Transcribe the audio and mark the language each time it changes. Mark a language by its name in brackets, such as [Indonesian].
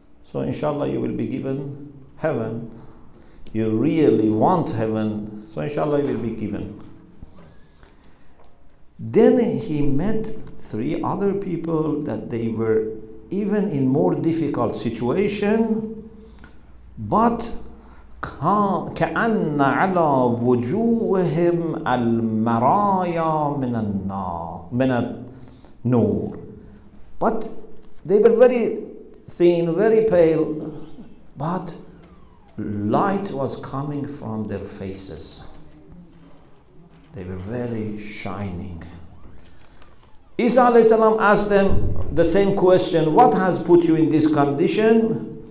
[English] So inshallah you will be given heaven. You really want heaven, so inshallah you will be given. Then he met three other people that they were even in more difficult situation, but [Arabic] كأن على وجوههم المرايا من النور. [English] But they were very thin, very pale, but light was coming from their faces. They were very shining. Isa alayhi salam asked them the same question, what has put you in this condition?